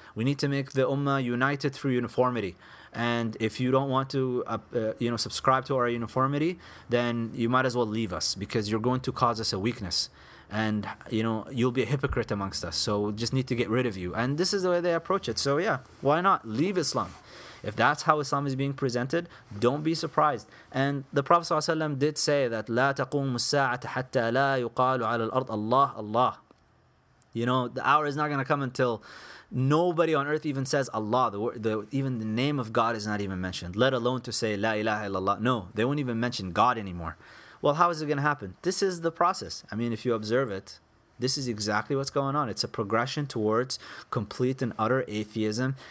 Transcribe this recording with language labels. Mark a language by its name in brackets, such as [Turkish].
[English] We need to make the ummah united through uniformity. And if you don't want to, subscribe to our uniformity, then you might as well leave us, because you're going to cause us a weakness. And, you know, you'll be a hypocrite amongst us. So we just need to get rid of you. And this is the way they approach it. So yeah, why not? Leave Islam. If that's how Islam is being presented, don't be surprised. And the Prophet ﷺ did say that [Arabic] لا تقوم الساعة حتى لا يقال على الأرض الله الله. [English] You know, the hour is not going to come until nobody on earth even says Allah. Even the name of God is not even mentioned, let alone to say [Arabic] لا إله إلا الله. [English] No, they won't even mention God anymore. Well, how is it going to happen? This is the process. I mean, if you observe it, this is exactly what's going on. It's a progression towards complete and utter atheism.